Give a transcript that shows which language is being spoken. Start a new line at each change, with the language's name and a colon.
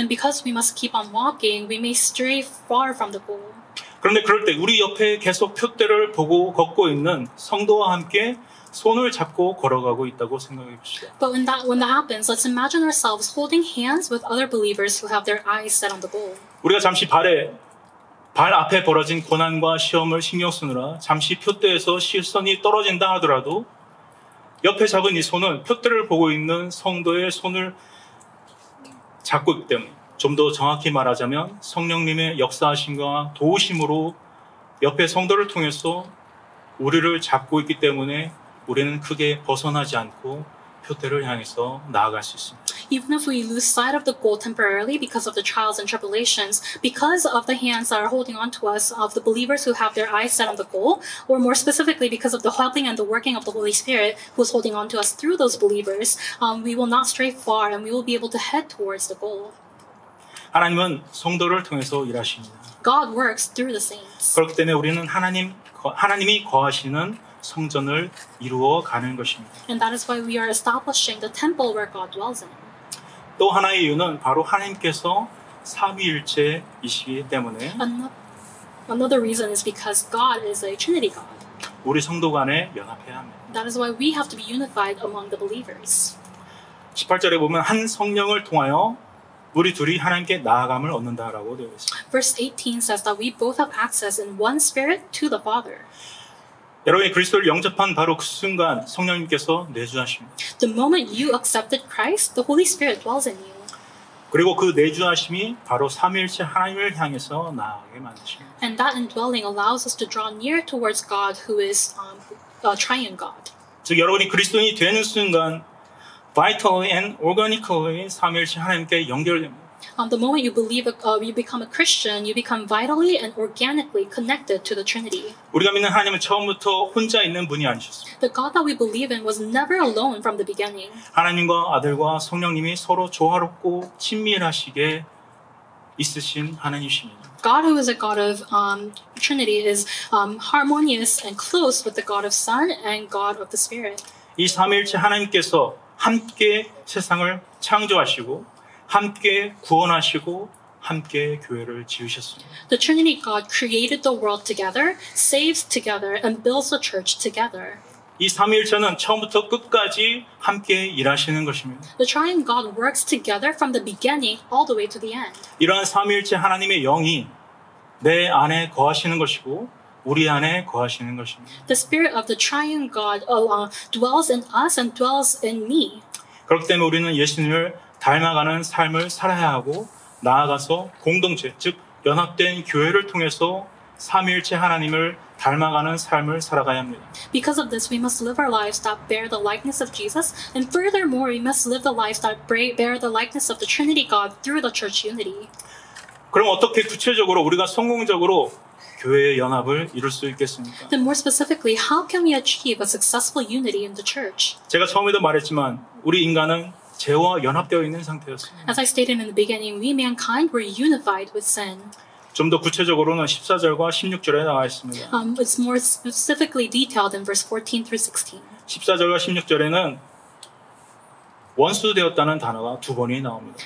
English: And because we must keep on walking, we may stray far from the goal.
Korean: 그런데 그럴 때 우리 옆에 계속 푯대를 보고 걷고 있는 성도와 함께 손을 잡고 걸어가고 있다고 생각해 봅시다.
English: But when that happens, let's imagine ourselves holding hands with other believers who have their eyes set on the goal.
Korean: 우리가 잠시 발 앞에 벌어진 고난과 시험을 신경 쓰느라 잠시 푯대에서 시선이 떨어진다 하더라도 옆에 잡은 이 손은 푯대를 보고 있는 성도의 손을 잡고 있기 때문에 좀 더 정확히 말하자면 성령님의 역사하심과 도우심으로 옆에 성도를 통해서 우리를 잡고 있기 때문에 우리는 크게 벗어나지 않고 표대를 향해서 나아갈 수 있습니다.
English: Even if we lose sight of the goal temporarily because of the trials and tribulations, because of the hands that are holding on to us, of the believers who have their eyes set on the goal, or more specifically because of the helping and the working of the Holy Spirit who is holding on to us through those believers, we will not stray far and we will be able to head towards the goal.
Korean: 하나님은 성도를 통해서 일하십니다.
English: God works through the saints.
Korean: 그렇기 때문에 우리는 하나님이 거하시는 성전을 이루어 가는 것입니다.
English: And that is why we are establishing the temple where God dwells in.
Korean: 또 하나의 이유는 바로 하나님께서 삼위일체이시기 때문에
English: Another reason is because God is a Trinity God.
Korean: 우리 성도 간에 연합해야 합니다.
English: That is why we have to be unified among the believers.
Korean: 18절에 보면 한 성령을 통하여 우리 둘이 하나님께 나아감을 얻는다라고 되어 있습니다.
English: Verse 18 says that we both have access in one spirit to the Father.
Korean: 여러분이 그리스도를 영접한 바로 그 순간 성령님께서 내주하십니다.
English: The moment you accepted Christ, the Holy Spirit dwells in you.
Korean: 그리고 그 내주하심이 바로 삼위일체 하나님을 향해서 나아가게 만드십니다.
English: And that indwelling allows us to draw near towards God who is a triune God.
Korean: 즉 여러분이 그리스도인이 되는 순간
English: vitally and organically
Korean: 삼위일체 하나님께 연결됩니다.
English: The moment you believe you become a Christian, you become vitally and organically connected to the Trinity.
Korean: 우리가 믿는 하나님은 처음부터 혼자 있는 분이 아니셨습니다.
English: The God that we believe in was never alone from the beginning.
Korean: 하나님과 아들과 성령님이 서로 조화롭고 친밀하시게 있으신 하나님이십니다.
English: God who is a God of Trinity is harmonious and close with the God of Son and God of the Spirit.
Korean: 이 삼위일체 하나님께서 함께 세상을 창조하시고 함께 구원하시고 함께 교회를 지으셨습니다.
English: The Trinity God created the world together, saves together, and builds the church together.
Korean: 이 삼위일체는 처음부터 끝까지 함께 일하시는 것입니다.
English: The Triune God works together from the beginning all the way to the end.
Korean: 이러한 삼위일체 하나님의 영이 내 안에 거하시는 것이고 우리 안에 거하시는 것입니다.
English: The spirit of the triune God dwells in us and dwells in me.
Korean: 그렇기 때문에 우리는 예수님을 닮아가는 삶을 살아야 하고 나아가서 공동체, 즉 연합된 교회를 통해서 삼위일체 하나님을 닮아가는 삶을 살아가야 합니다.
English: Because of this, we must live our lives that bear the likeness of Jesus, and furthermore, we must live the lives that bear the likeness of the Trinity God through the church unity.
Korean: 그럼 어떻게 구체적으로 우리가 성공적으로 교회의 연합을 이룰 수 있겠습니까?
English: Then more specifically, how can we achieve a successful unity in the church?
Korean: 제가 처음에도 말했지만 우리 인간은 죄와 연합되어 있는 상태였습니다.
English: As I stated in the beginning, we mankind were unified with sin.
Korean: 좀 더 구체적으로는 14절과 16절에 나와 있습니다.
English: It's more specifically detailed in verse 14 through 16.
Korean: 14절과 16절에는 원수 되었다는 단어가 두 번이 나옵니다.